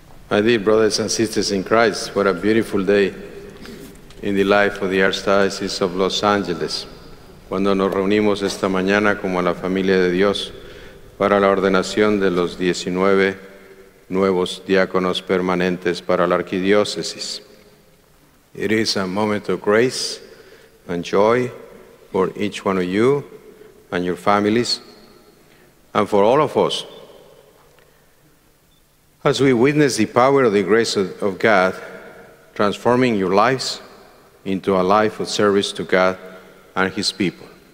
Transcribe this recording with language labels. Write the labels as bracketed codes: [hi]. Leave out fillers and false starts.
[en] My dear brothers and sisters in Christ, what a beautiful day in the life of the Archdiocese of Los Angeles. [es] Cuando nos reunimos esta mañana como a la familia de Dios para la ordenación de los 19 nuevos diáconos permanentes para la arquidiócesis. [en] It is a moment of grace and joy for each one of you and your families and for all of us. As we witness the power of the grace of God transforming your lives into a life of service to God and His people.